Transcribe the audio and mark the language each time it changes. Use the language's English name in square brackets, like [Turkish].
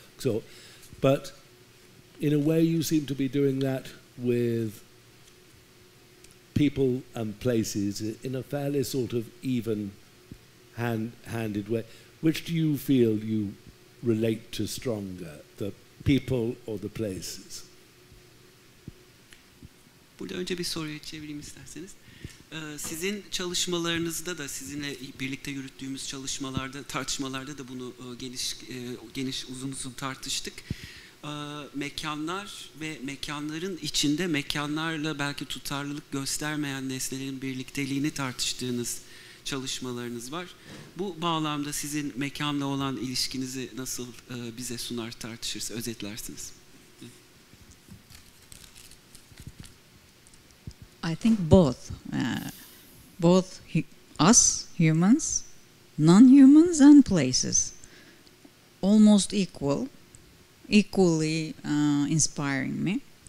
[English] Or, but in a way, you seem to be doing that with people and places in a fairly sort of even handed way. Which do you feel you relate to stronger, the people or the places? [Turkish] Burada önce bir soruyu çevireyim isterseniz. Sizin çalışmalarınızda da, sizinle birlikte yürüttüğümüz çalışmalarda, tartışmalarda da bunu geniş uzun uzun tartıştık. Mekanlar ve mekanların içinde mekanlarla belki tutarlılık göstermeyen nesnelerin birlikteliğini tartıştığınız çalışmalarınız var. Bu bağlamda sizin mekanla olan ilişkinizi nasıl bize sunar, tartışırız, özetlersiniz? [English] I think both us humans, non-humans and places almost equally inspiring me.